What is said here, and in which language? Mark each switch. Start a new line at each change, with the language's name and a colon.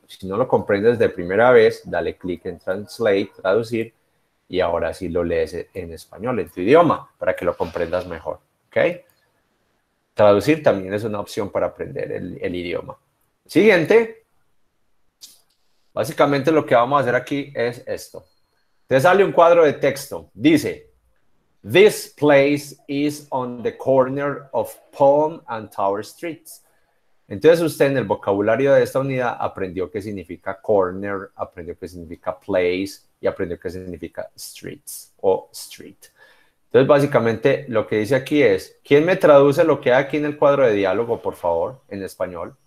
Spanish: Si no lo comprendes de primera vez, dale clic en Translate, traducir, y ahora sí lo lees en español, en tu idioma, para que lo comprendas mejor, ¿ok? Traducir también es una opción para aprender el idioma. Siguiente. Básicamente lo que vamos a hacer aquí es esto. Te sale un cuadro de texto, dice...
English: This place is on the corner of Palm and Tower Streets.
Spanish: Entonces usted en el vocabulario de esta unidad aprendió qué significa corner, aprendió qué significa place y aprendió qué significa streets o street. Entonces básicamente lo que dice aquí es, ¿quién me traduce lo que hay aquí en el cuadro de diálogo, por favor, en español?